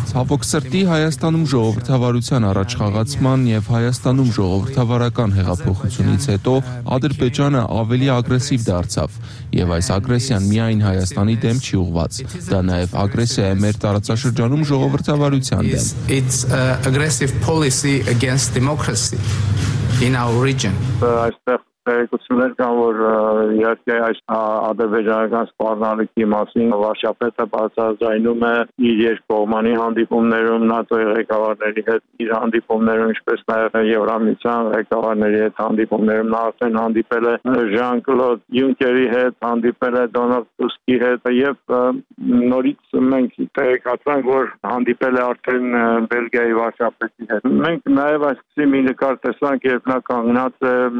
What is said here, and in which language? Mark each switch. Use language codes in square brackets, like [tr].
[hy] ցավոք սրտի Հայաստանում ժողովրդավարության առաջխաղացման և Հայաստանում ժողովրդավարական հեղափոխությունից հետո Ադրբեջանը ավելի ագրեսիվ դարձավ, և այս ագրեսիան միայն Հայաստանի դեմ չի ուղված, դա նաև ագրեսիա է մեր տարածաշրջանում ժողովրդավարության դեմ։ [en] It's aggressive policy against democracy in our region. [hy] Հայտարարություններ կան, որ իհարկե այս ադրբեջանական սպառնալիքի մասին վարչապետը բացահայտում է իր երկկողմանի հանդիպումներում ՆԱՏՕ-ի ղեկավարների հետ, իր հանդիպումներում, ինչպես նաև Եվրամիության ղեկավարների հետ հանդիպումներում, նա արդեն հանդիպել է Ժան-Կլոդ Յունկերի հետ, հանդիպել է Դոնալդ Տուսկի հետ, և նորից մենք տեղեկացանք, որ հանդիպել է արդեն Բելգիայի վարչապետի հետ։ Մենք նաև այսպեսի մի նկար տեսանք, երբ նա կանգնած է